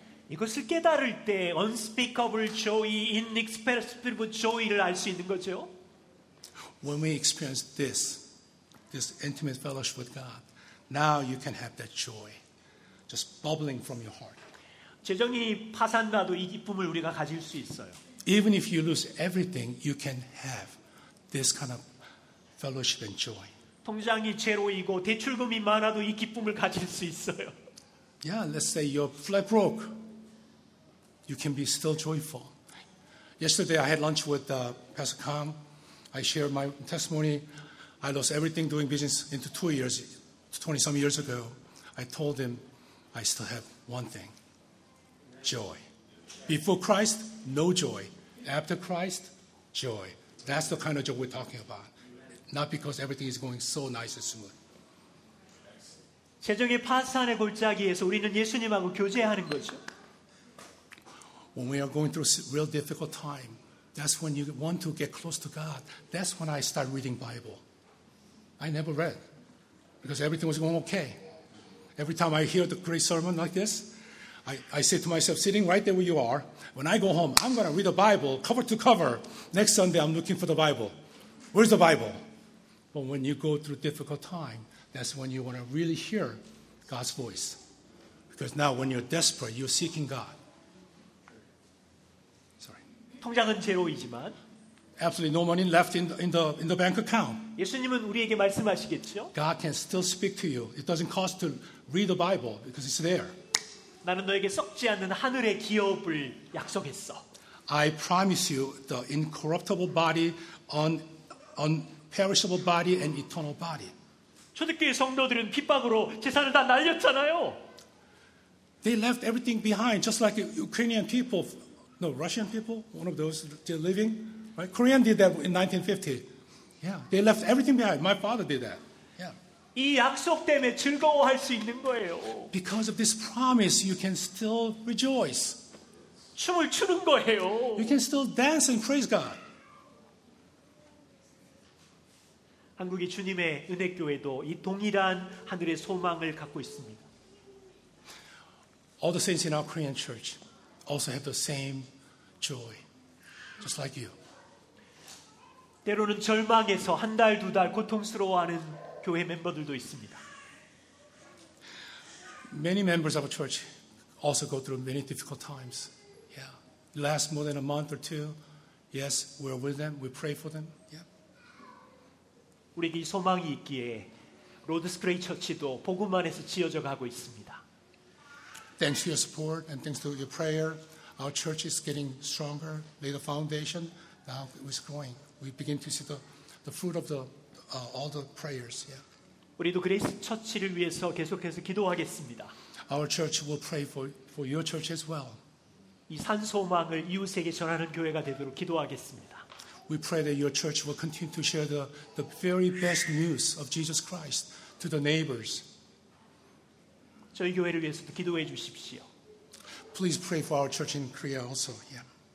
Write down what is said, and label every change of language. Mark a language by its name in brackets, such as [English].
[Korean] 이것을 깨달을 때 [English] unspeakable joy, inexpressible joy [Korean] 를 알 수 있는 거죠. [English] When we experience this, this intimate fellowship with God, now you can have that joy just bubbling from your heart. [Korean] 재정이 파산나도 이 기쁨을 우리가 가질 수 있어요. [English] Even if you lose everything, you can have this kind of fellowship and joy. [Korean] 통장이 제로이고 대출금이 많아도 이 기쁨을 가질 수 있어요. [English] Yeah, let's say you're flat broke. You can be still joyful. Yesterday, I had lunch with Pastor Kang. I shared my testimony. I lost everything doing business into 2 years, 20-some years ago. I told him I still have one thing. Joy. Before Christ, no joy. After Christ, joy. That's the kind of joy we're talking about. Not because everything is going so nice and smooth. [Korean] 재정의 파산의 골짜기에서 우리는 예수님하고 교제하는 거죠. [English] When we are going through a real difficult time, that's when you want to get close to God. That's when I start reading Bible. I never read because everything was going okay. Every time I hear the great sermon like this, I say to myself, sitting right there where you are, when I go home, I'm going to read the Bible cover to cover. Next Sunday, I'm looking for the Bible. Where's the Bible? But when you go through a difficult time, that's when you want to really hear God's voice. Because now when you're desperate, you're seeking God. Sorry. [Korean] 통장은 제로이지만. [English] Absolutely no money left in the bank account. [Korean] 예수님은 우리에게 말씀하시겠죠? [English] God can still speak to you. It doesn't cost to read the Bible because it's there. [Korean] 나는 너에게 썩지 않는 하늘의 기업을 약속했어. [English] I promise you the incorruptible body, unperishable body, and eternal body. [Korean] 초대교회 성도들은 핍박으로 재산을 다 날렸잖아요. [English] They left everything behind, just like Ukrainian people, no, Russian people, one of those still living. Right? Korean did that in 1950. Yeah, they left everything behind. My father did that. [Korean] 이 약속 때문에 즐거워할 수 있는 거예요. [English] Because of this promise, you can still rejoice. [Korean] 춤을 추는 거예요. [English] You can still dance and praise God. [Korean] 한국의 주님의 은혜교회도 이 동일한 하늘의 소망을 갖고 있습니다. [English] All the saints in our Korean church also have the same joy, just like you. [Korean] 때로는 절망에서 한 달, 두 달 고통스러워하는 교회 멤버들도 있습니다. [English] Many members of a church also go through many difficult times. Yeah. Last more than a month or two. Yes, we're with them. We pray for them. Yeah. [Korean] 우리에게 소망이 있기에 로드스 그레이 처치도 복음 안에서 지어져 가고 있습니다. [English] Thanks to your support and thanks to your prayer, our church is getting stronger. Lay the foundation. Now it's growing. We begin to see the fruit of the all the prayers, yeah. [Korean] 우리도 그레이스 처치를 위해서 계속해서 기도하겠습니다. [English] Our church will pray for your church as well. [Korean] 이 산 소망을 이웃에게 전하는 교회가 되도록 기도하겠습니다. [English] We pray that your church will continue to share the very best news of Jesus Christ to the neighbors. [Korean] 저희 교회를 위해서도 기도해 주십시오. [English] Please pray for our church in Korea also, yeah.